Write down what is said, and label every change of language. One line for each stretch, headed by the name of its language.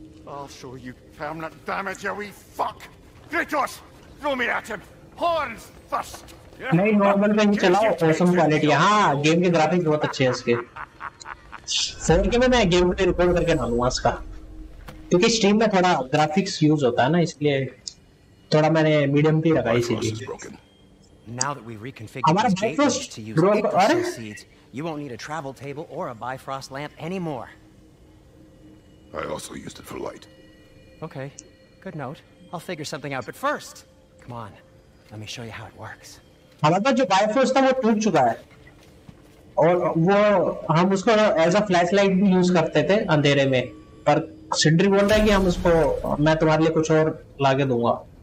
English: I'll show you permanent damage, you wee fuck! Gritos! Throw me at him! Horns first!
Hindi: नहीं normal में ही चलाओ awesome quality हाँ game के graphics बहुत अच्छे हैं इसके सही के मैं गेम प्ले रिकॉर्ड करके डालूंगा इसका क्योंकि स्ट्रीम में थोड़ा ग्राफिक्स यूज होता है ना इसलिए थोड़ा मैंने मीडियम पे लगाई इसीलिए
English: Now that we reconfigured the gateways to use Bifrost seeds, you won't need a travel table or a Bifrost lamp anymore. I also used it for light. Okay, good note. I'll figure something out, but first, come on, let me show you how it works.
Hindi: हमारा जो Bifrost था वो टूट चुका है और वो हम उसको एज अ फ्लैशलाइट भी यूज करते थे अंधेरे में पर सिंड्री बोल रहा है कि हम उसको मैं तुम्हारे लिए कुछ और लाके दूंगा